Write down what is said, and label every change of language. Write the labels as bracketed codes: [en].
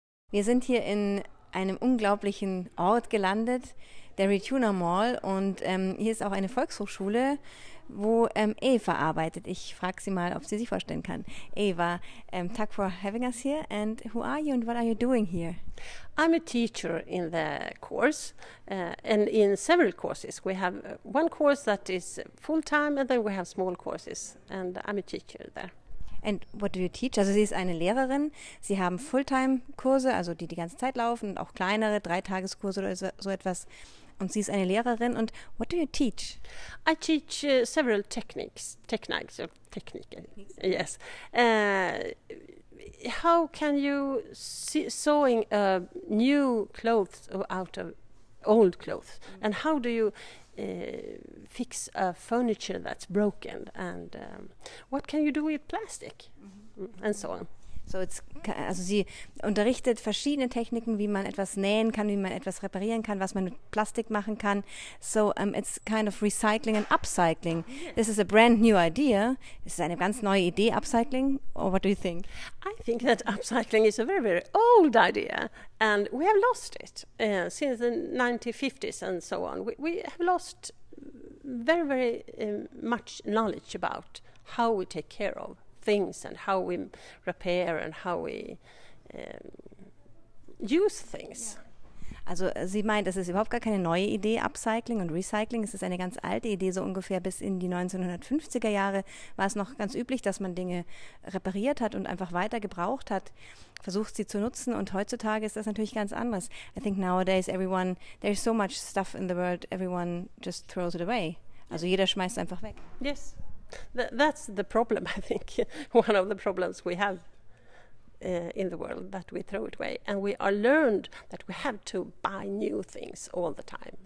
[de] Wir sind hier in einem unglaublichen Ort gelandet, der Rituna Mall. Und hier ist auch eine Volkshochschule, wo Eva arbeitet. Ich frage sie mal, ob sie sich vorstellen kann. [en] Eva, thank for having us here. And who are you and what are you doing here? I'm a teacher in the course, and in several courses. We have one course that is full time, and then we have small courses, and I'm a teacher there. And what do you teach? [de] Also sie ist eine Lehrerin. Sie haben Fulltime-Kurse, also die ganze Zeit laufen, auch kleinere Dreitageskurse oder so etwas. Und sie ist eine Lehrerin. Und [en] what do you teach? I teach several techniques. Techniques. Yes. How can you see sewing new clothes out of old clothes? And how do you fix a furniture that's broken? And what can you do with plastic? And so on. [de] So jetzt, also sie unterrichtet verschiedene Techniken, wie man etwas nähen kann, wie man etwas reparieren kann, was man mit Plastik machen kann. [en] So it's kind of recycling and upcycling. This is a brand new idea. [de] Es ist eine ganz neue Idee, Upcycling. [en] Or what do you think? I think that upcycling is a very, very old idea, and we have lost it since the 1950s and so on. We have lost very, very much knowledge about how we take care of things and how we repair and how we use things. [de] Also, sie meint, das ist überhaupt gar keine neue Idee, Upcycling und Recycling. Es ist eine ganz alte Idee, so ungefähr bis in die 1950er Jahre war es noch ganz üblich, dass man Dinge repariert hat und einfach weiter gebraucht hat, versucht sie zu nutzen. Und heutzutage ist das natürlich ganz anders. [en] I think nowadays everyone, there is so much stuff in the world, everyone just throws it away. [de] Also jeder schmeißt es einfach weg. [en] Yes, that's the problem, I think. One of the problems we have in the world, that we throw it away. And we are learned that we have to buy new things all the time.